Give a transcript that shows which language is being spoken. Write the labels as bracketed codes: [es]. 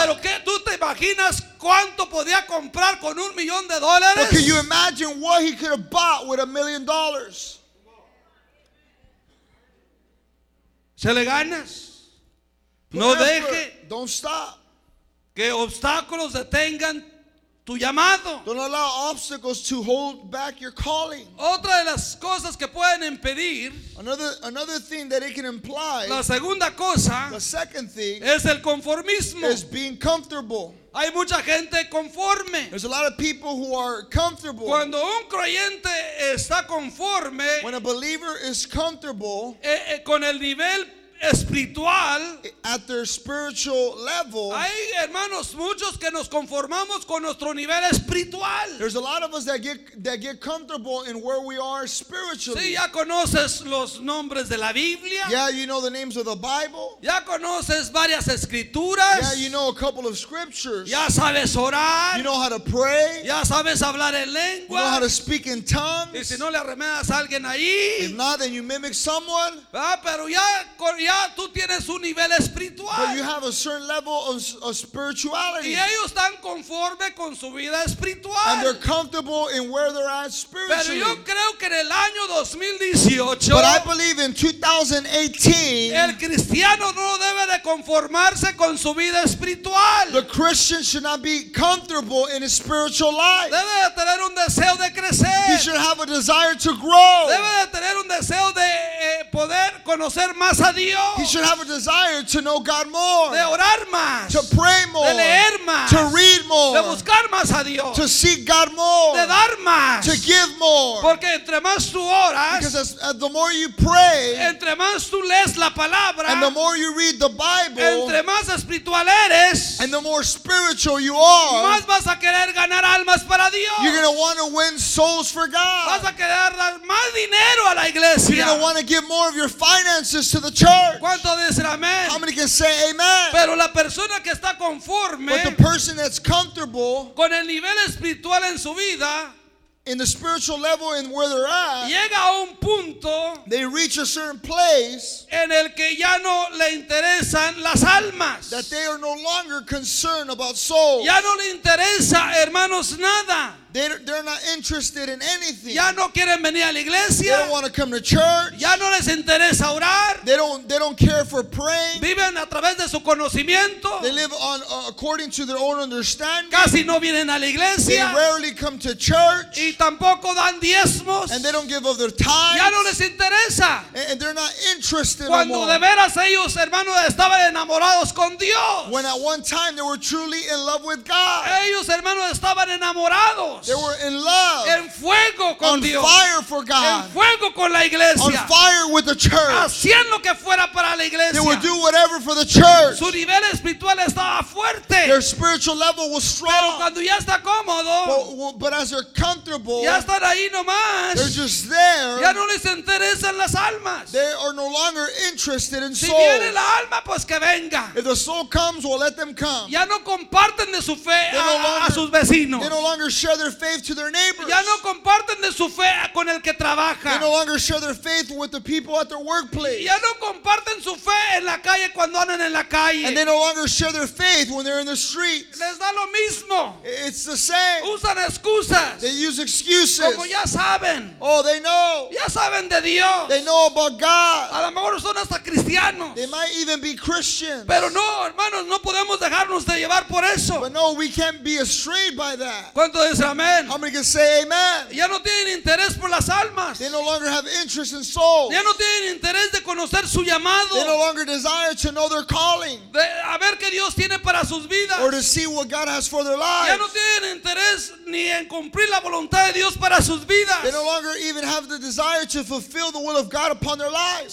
[es] Pero que tú te imaginas cuánto podía comprar con un millón de dólares? [en] But can you imagine what he could have bought with $1 million? [es] ¿Se le ganas? No deje [en] don't stop. [es] Que obstáculos detengan tu llamado. [en] Don't allow obstacles to hold back your calling. [es] Otra de las cosas que pueden impedir, [en] another thing that it can imply, [es] la segunda cosa, [en] the second thing, [es] es el conformismo. [en] Is being comfortable. [es] Hay mucha gente conforme. [en] There's a lot of people who are comfortable. [es] Cuando un creyente está conforme, [en] when a believer is comfortable, [es] con el nivel espiritual, [en] at their spiritual level, [es] hay hermanos muchos que nos conformamos con nuestro nivel espiritual. [en] There's a lot of us that get comfortable in where we are spiritually. [es] Sí, ya conoces los nombres de la Biblia. [en] Yeah, you know the names of the Bible. [es] Ya conoces varias escrituras. [en] Yeah, you know a couple of scriptures. [es] Ya sabes orar. [en] You know how to pray. [es] Ya sabes hablar en lengua. [en] You know how to speak in tongues. [es] Y si no le arremedas a alguien ahí, [en] if not, then you mimic someone. [es] Ah, pero ya ya tú tienes un nivel espiritual. [en] But you have a certain level of spirituality. [es] Y ellos están conforme con su vida espiritual. [en] And they're comfortable in where they're at spiritually. [es] Pero yo creo que en el año 2018, [en] but I believe in 2018, [es] el cristiano no debe de conformarse con su vida espiritual. [en] The Christian should not be comfortable in his spiritual life. [es] Debe de tener un deseo de crecer. [en] He should have a desire to grow. [es] Debe de tener un deseo de poder conocer más. [en] He should have a desire to know God more. [es] De orar más. [en] To pray more. [es] De leer más. [en] To read more. [es] De buscar más a Dios. [en] To seek God more. [es] De dar más. [en] To give more. [es] Porque entre más tú oras, [en] because the more you pray, [es] entre más tú lees la palabra, [en] and the more you read the Bible, [es] entre más espiritual eres, [en] and the more spiritual you are, [es] más vas a querer ganar almas para Dios. [en] You're going to want to win souls for God. [es] Vas a querer dar más dinero a la iglesia. [en] You're going to want to give more of your finances to the church. [es] ¿Cuánto dicen amén? [en] How many can say amen? [es] Pero la persona que está conforme, [en] but the person that's comfortable [es] con el nivel espiritual en su vida, [en] in the spiritual level and where they're at, [es] llega a un punto, [en] they reach a certain place [es] en el que ya no le interesan las almas, [en] that they are no longer concerned about souls. [es] Ya no le interesa, hermanos, nada. [en] They're not interested in anything. [es] Ya no quieren venir a la iglesia. [en] They don't want to come to church. [es] Ya no les interesa orar. [en] They don't care for praying. [es] Viven a través de su conocimiento. [en] They live on according to their own understanding. [es] Casi no vienen a la iglesia. [en] They rarely come to church. [es] Y tampoco dan diezmos. [en] And they don't give of their tithes. [es] Ya no les interesa. [en] And they're not interested [es] cuando [en] anymore. [es] De veras ellos, hermanos, estaban enamorados con Dios. [en] When at one time they were truly in love with God. [es] Ellos, hermanos, estaban enamorados. [en] They were in love. [es] En fuego con [en] on [es] Dios. [en] Fire for God. [es] En fuego con la iglesia. [en] On fire with the church. [es] Haciendo que fuera para la iglesia. [en] They would do whatever for the church. [es] Su nivel espiritual estaba fuerte. [en] Their spiritual level was strong. [es] Pero cuando ya está cómodo, [en] but as they're comfortable, [es] ya están ahí nomás, [en] they're just there. [es] Ya no les interesan las almas. [en] They are no longer interested in [es] si [en] souls. [es] Viene la alma, pues que venga. [en] If the soul comes, well, let them come. [es] Ya no comparten de su fe a sus vecinos. [en] They no longer share their faith to their neighbors. [es] Ya no comparten de su fe con el que trabaja. [en] They no longer share their faith with the people at their workplace. [es] Ya no comparten su fe en la calle cuando andan en la calle. [en] And they no longer share their faith when they're in the streets. [es] Les da lo mismo. [en] It's the same. [es] Usan excusas. [en] They use excuses. [es] Como ya saben. [en] Oh, they know. [es] Ya saben de Dios. [en] They know about God. [es] A lo mejor son hasta cristianos. [en] They might even be Christians. [es] Pero no, hermanos, no podemos dejarnos de llevar por eso. [en] But no, we can't be astrayed by that. Amen. How many can say amen? [es] Ya no tienen interés por las almas. [en] They no longer have interest in souls. [es] Ya no tienen interés de conocer su llamado. [en] They no longer desire to know their calling. [es] De, a ver qué Dios tiene para sus vidas. [en] Or to see what God has for their lives. [es] Ya no tienen interés ni en cumplir la voluntad de Dios para sus vidas. [en] They no longer even have the desire to fulfill the will of God upon their lives.